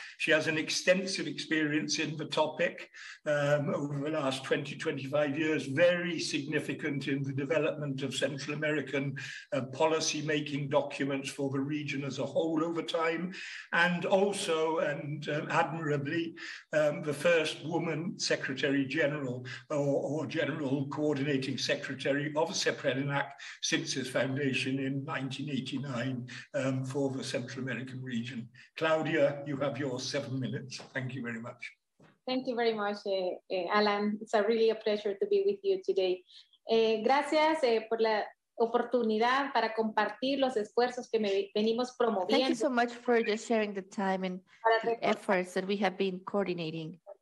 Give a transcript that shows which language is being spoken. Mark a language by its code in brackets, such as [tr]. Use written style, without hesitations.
[en] She has an extensive experience in the topic over the last 20, 25 years, very significant in the development of Central American policy making documents for the region as a whole over time, and also, and admirably, the first woman Secretary General or General Coordinating Secretary of SEPREDINAC since its foundation in 1989 for the Central American region. Claudia, you have your 7 minutes. Thank you very much. Thank you very much, Alan. It's really a pleasure to be with you today. [es] Gracias por la oportunidad para compartir los esfuerzos que venimos promoviendo. [en] Thank you so much for just sharing the time and the efforts that we have been coordinating.